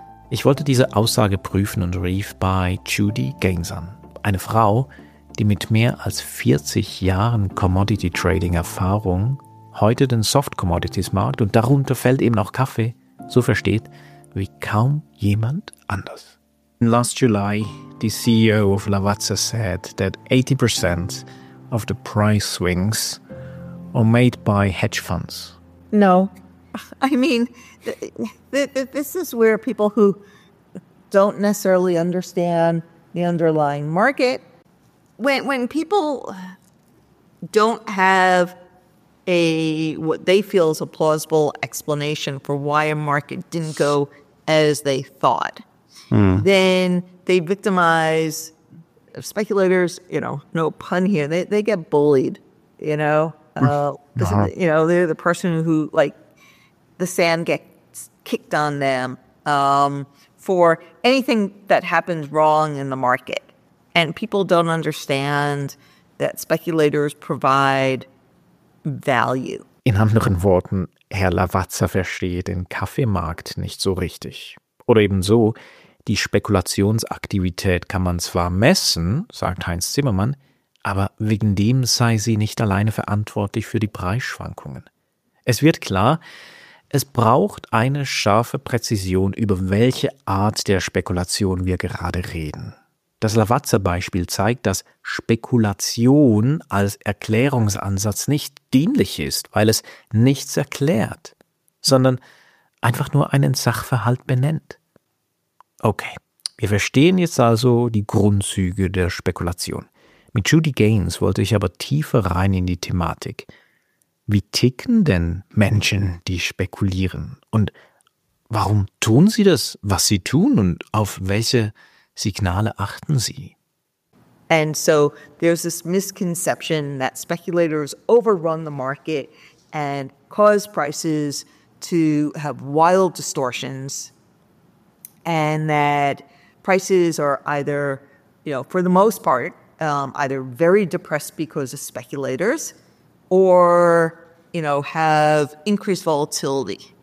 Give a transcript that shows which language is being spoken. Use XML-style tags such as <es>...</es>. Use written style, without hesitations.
<de>Ich wollte diese Aussage prüfen und rief bei Judy Gaines an, eine Frau, die mit mehr als 40 Jahren Commodity Trading Erfahrung heute den Soft Commodities Markt und darunter fällt eben auch Kaffee, so versteht wie kaum jemand anders.</de> <en>In last July, the CEO of Lavazza said that 80% of the price swings are made by hedge funds. No. I mean, this is where people who don't necessarily understand the underlying market, when people don't have what they feel is a plausible explanation for why a market didn't go as they thought, then they victimize speculators, you know, no pun here. They get bullied, you know. They're the person who, like, the sand gets kicked on them for anything that happens wrong in the market. And people don't understand that speculators provide value.</en> <de>In anderen Worten, Herr Lavazza verstehe den Kaffeemarkt nicht so richtig. Oder ebenso, die Spekulationsaktivität kann man zwar messen, sagt Heinz Zimmermann, aber wegen dem sei sie nicht alleine verantwortlich für die Preisschwankungen. Es wird klar, es braucht eine scharfe Präzision, über welche Art der Spekulation wir gerade reden. Das Lavazza-Beispiel zeigt, dass Spekulation als Erklärungsansatz nicht dienlich ist, weil es nichts erklärt, sondern einfach nur einen Sachverhalt benennt. Okay, wir verstehen jetzt also die Grundzüge der Spekulation. Mit Judy Gaines wollte ich aber tiefer rein in die Thematik. Wie ticken denn Menschen, die spekulieren? Und warum tun sie das, was sie tun? Und auf welche Signale achten sie?</de> <en>And so there's this misconception that speculators overrun the market and cause prices to have wild distortions and that prices are either, you know, for the most part, either very depressed because of speculators or, you know, have increased volatility.</en>